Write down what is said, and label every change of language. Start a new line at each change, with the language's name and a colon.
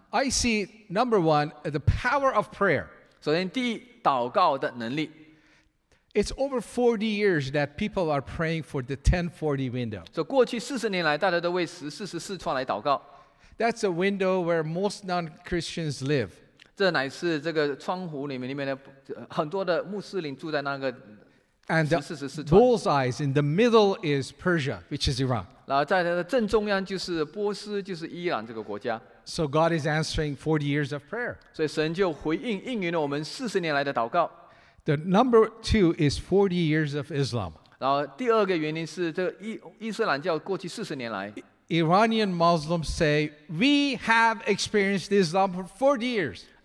English: I see, number one, the power of prayer.
Chinese: 首先第一, 祷告的能力。
English: It's over 40 years that people are praying for the 1040 window.
Chinese: 过去40年来大家都为10、44创来祷告。
English: That's a window where most non-Christians live.
Chinese: 这乃是这个窗户里面很多的穆斯林住在那个
English: And the bullseyes in the middle is Persia, which is Iran.
Chinese: 然后在正中央就是波斯，就是伊朗这个国家。
English: So God is answering 40 years of prayer.
Chinese: 所以神就回应应允了我们40年来的祷告。
English: The number two is 40 years of Islam.
Chinese: 然后第二个原因是这伊斯兰教过去40年来。
English: Iranian Muslims say, we have experienced Islam for 40 years.